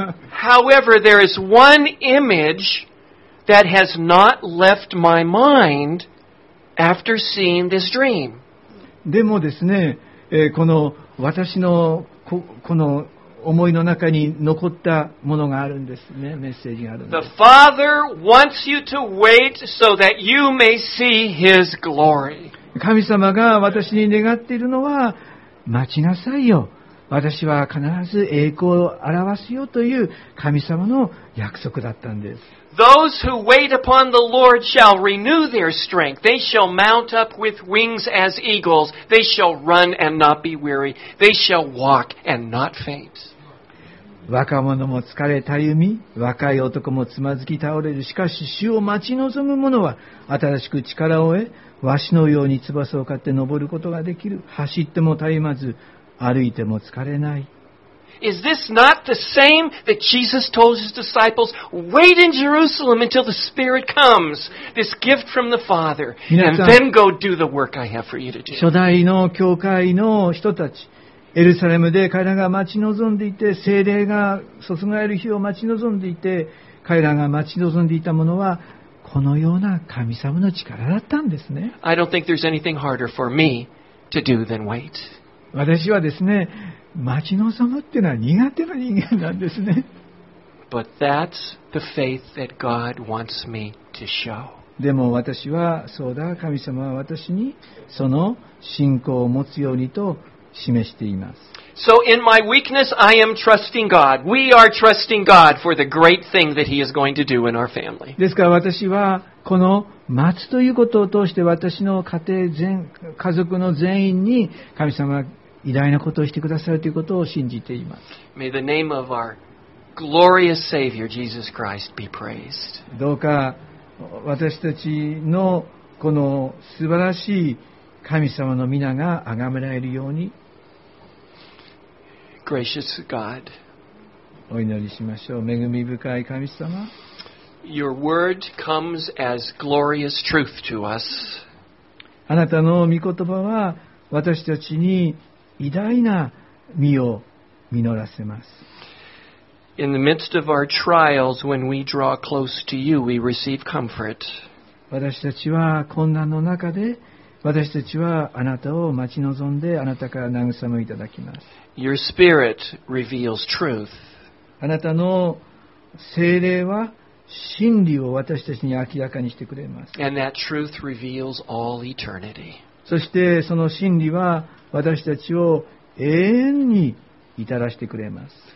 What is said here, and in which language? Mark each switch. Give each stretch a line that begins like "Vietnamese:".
English: However, there is one image that has not left my mind after seeing this dream.
Japanese: でもですね、この私のこの思いの中に残ったものがあるんですね、メッセージがあるんです。
English: The Father wants you to wait so that you may see His glory.
Japanese: 神様が私に願っているのは、待ちなさいよ。私は必ず栄光を表すよという神様の約束だったんです。
English: Those who wait upon the Lord shall renew their strength. They shall mount up with wings as eagles. They shall run and not be weary. They shall walk and not faint.
Japanese: 若者も疲れたゆみ、若い男もつまずき倒れる。しかし主を待ち望む者は新しく力を得、わしのように翼を買って登ることができる。走ってもたゆまず、歩いても疲れない。
English: Is this not the same that Jesus told his disciples, wait in Jerusalem until the Spirit comes, this gift from the Father, and then go do the work I have for you to do.
Japanese: 初代の教会の人たち、エルサレムで彼らが待ち望んでいて、聖霊が注がれる日を待ち望んでいて、彼らが待ち望んでいたものは、このような神様の力だったんですね。
English: I don't think there's anything harder for me to do than wait.
Japanese: 私はですね、待ち望むっていうのは苦手な人間なんですね。
English: But that's the faith that God wants me to show.
Japanese: でも私はそうだ、神様は私にその信仰を持つようにと示しています。
English: So in my weakness, I am trusting God. We are trusting God for the great thing that He is going to do in our family.
Japanese: ですから私はこの待つということを通して私の家庭全家族の全員に神様は偉大なことをしてくださるということを信じています。
English: May the name of our glorious Savior, Jesus Christ, be praised.
Japanese: どうか私たちのこの素晴らしい神様の皆が崇められるように。
English: Gracious God.
Japanese: お祈りしましょう。恵み深い神様。
English: Your word comes as glorious truth to us.
Japanese: あなたの御言葉は私たちに偉大な実を実らせます。
English: In the midst of our trials, when we draw close to you, we receive comfort.
Japanese: 私たちは困難の中で、私たちはあなたを待ち望んで、あなたから慰めいただきます。
English: Your spirit reveals truth.
Japanese: あなたの聖霊は真理を私たちに明らかにしてくれます。
English: And that truth reveals all eternity.
Japanese: そしてその真理は私たちを永遠に至らせてくれます。